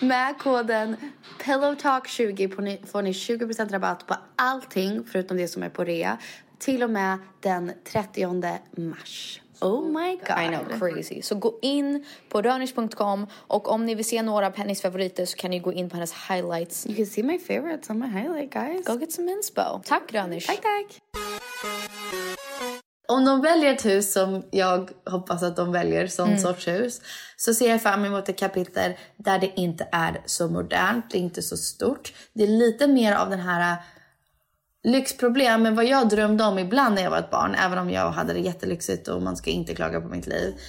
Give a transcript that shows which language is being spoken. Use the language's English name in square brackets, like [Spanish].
[Swedish] Med koden PILLOWTALK20 får ni 20% rabatt på allting förutom det som är på rea. Till och med den 30 mars. [English] Oh my god. I know, crazy. [Swedish] Så gå in på rönnisch.com. Och om ni vill se några av Pennys favoriter så kan ni gå in på hennes highlights. [English] You can see my favorites on my highlight, guys. Go get some inspo. Tack, Rönnisch. [Swedish] Tack, tack. Om de väljer ett hus som jag hoppas att de väljer, sån sorts hus, så ser jag fram emot ett kapitel där det inte är så modernt. Det är inte så stort. Det är lite mer av den här... lyxproblem, men vad jag drömde om ibland när jag var ett barn, även om jag hade det jättelyxigt och man ska inte klaga på mitt liv.